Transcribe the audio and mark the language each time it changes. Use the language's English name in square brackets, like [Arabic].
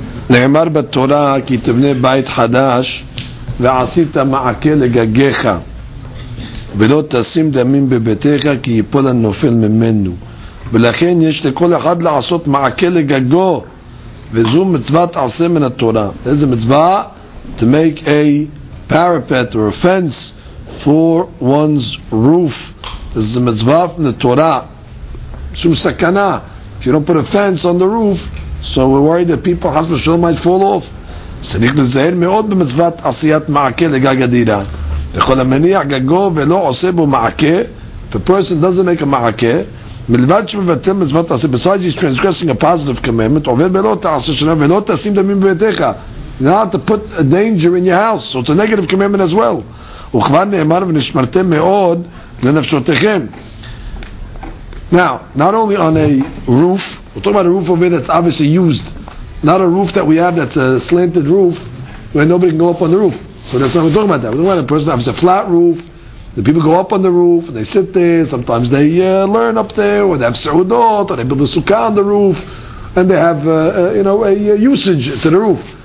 [Hebrew] נאמר בתורה כי תבנה בית חדש ועשית מעקה לגגיך ולא תשים דמים בביתך כי יפול הנופל ממנו. ולכן יש לכל אחד לעשות מעקה לגגו, וזו מצוות עשה מן התורה. איזה מצווה? [English] To make a parapet or a fence for one's roof. [Hebrew] איזה מצווה מן התורה. שום סכנה. [English] If you don't put a fence on the roof, so we're worried that people, [Hebrew] חס ושלום, [English] might fall off. [Hebrew] צריך לזהר מאוד במצוות עשיית מעקה לגג הדירה. לכל המניח גגו ולא עושה בו מעקה, [English] the person doesn't make a [Hebrew] מעקה, מלבד שמבטל מצוות עשה, [English] besides he's transgressing a positive commandment, [Hebrew] עובר בלא תעשה שלום ולא תשים דמים בביתך. [English] Not to put a danger in your house, so it's a negative commandment as well. [Hebrew] וכבר נאמר ונשמרתם מאוד לנפשותיכם. [English] Now, not only on a roof, we're talking about a roof over there that's obviously used. Not a roof that we have that's a slanted roof where nobody can go up on the roof. So that's not what we're talking about. That. We're talking about a person that has a flat roof. The people go up on the roof and they sit there. Sometimes they learn up there, or they have seudot, or they build a sukkah on the roof, and they have a usage to the roof.